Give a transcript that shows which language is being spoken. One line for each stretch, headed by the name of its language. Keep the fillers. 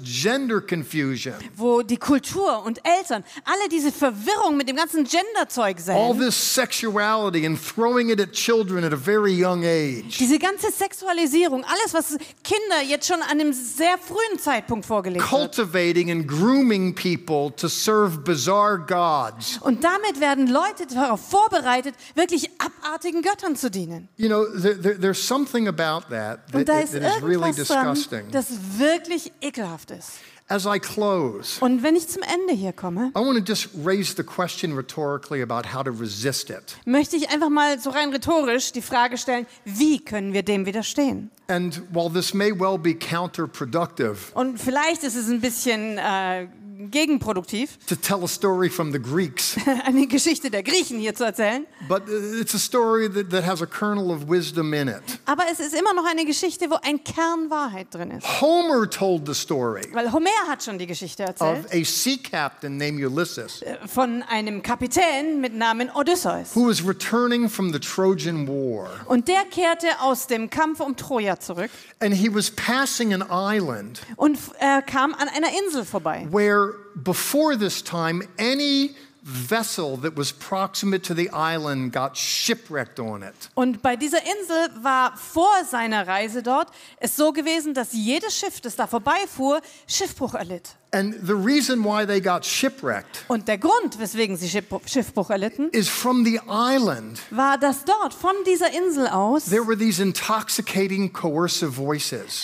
German: Wo die Kultur und Eltern alle diese Verwirrung mit dem ganzen Genderzeug säen.
English: All this sexuality and throwing it at children at a very young age.
German: Diese ganze Sexualisierung, alles was Kinder jetzt schon an einem sehr frühen Zeitpunkt vorgelegt wird.
English: Cultivating and grooming people to serve bizarre gods.
German: Und damit werden Leute darauf vorbereitet, wirklich abartigen Göttern zu dienen.
English: You know, There, there, there's something about that that, that is, really dran, disgusting. As I close,
German: Und wenn ich zum Ende hier komme,
English: I want to just raise the question rhetorically about how to resist it.
German: Möchte ich einfach mal so rein rhetorisch die Frage stellen, wie können wir dem widerstehen?
English: And while this may well be counterproductive,
German: und vielleicht ist es ein bisschen uh, gegenproduktiv,
English: to tell a story from the Greeks,
German: eine Geschichte der Griechen hier zu erzählen.
English: But it's a story that, that has a kernel of wisdom in it.
German: Aber es ist immer noch eine Geschichte, wo ein Kern Wahrheit drin ist.
English: Homer told the story.
German: Weil Homer hat schon die Geschichte erzählt.
English: Of a sea captain named Ulysses.
German: Von einem Kapitän mit Namen
English: Odysseus. Who was returning from the Trojan War.
German: Und der kehrte aus dem Kampf um Troja zurück.
English: And he was passing island,
German: Und er kam an einer Insel vorbei.
English: Where before this time any vessel that was proximate to the island got shipwrecked on it.
German: Und bei dieser Insel war vor seiner Reise dort es so gewesen, dass jedes Schiff, das da vorbeifuhr, Schiffbruch erlitt.
English: And the reason why they got shipwrecked,
German: Und der Grund, weswegen sie Schiffbruch erlitten,
English: island,
German: war, dass dort von dieser Insel aus
English: there were these intoxicating, coercive voices.